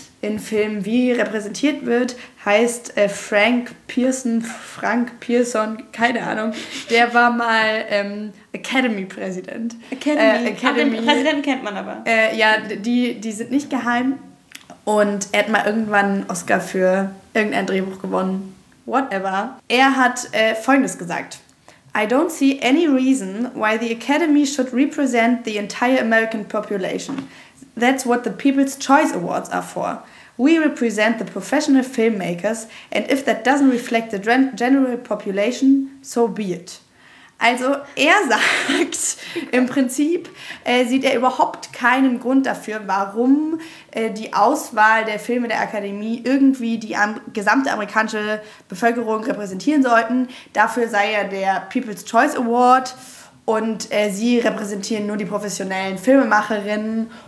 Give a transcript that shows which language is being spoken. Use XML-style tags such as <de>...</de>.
<de>in Filmen wie repräsentiert wird, heißt Frank Pearson, keine Ahnung, der war mal Academy-Präsident. Academy. Ach, den Präsidenten kennt man aber. Ja, die sind nicht geheim. Und er hat mal irgendwann einen Oscar für irgendein Drehbuch gewonnen. Whatever. Er hat Folgendes gesagt.</de> <en>I don't see any reason why the Academy should represent the entire American population. That's what the People's Choice Awards are for. We represent the professional filmmakers, and if that doesn't reflect the general population, so be it.</en> <de>Also, er sagt, im Prinzip sieht er überhaupt keinen Grund dafür, warum die Auswahl der Filme der Akademie irgendwie die gesamte amerikanische Bevölkerung repräsentieren sollten. Dafür sei er der People's Choice Award und sie repräsentieren nur die professionellen Filmemacherinnen.</de>